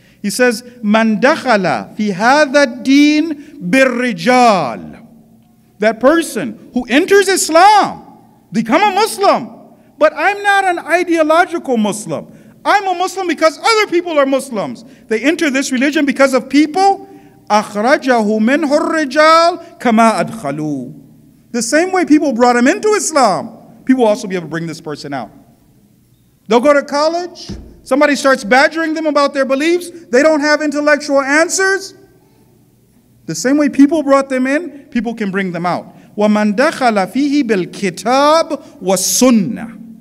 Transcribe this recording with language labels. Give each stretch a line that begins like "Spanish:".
English: He says,
Arabic: "Man dakhala fi hadha ad-din bir-rijal."
English: That person who enters Islam, become a Muslim. But I'm not an ideological Muslim. I'm a Muslim because other people are Muslims. They enter this religion because of people.
Arabic: أَخْرَجَهُ مِنْهُ الرِّجَالِ كَمَا أَدْخَلُوا.
English: The same way people brought him into Islam, people will also be able to bring this person out. They'll go to college. Somebody starts badgering them about their beliefs. They don't have intellectual answers. The same way people brought them in, people can bring them out.
Arabic: وَمَنْ دَخَلَ فِيهِ بِالْكِتَابِ وَالسُنَّةِ.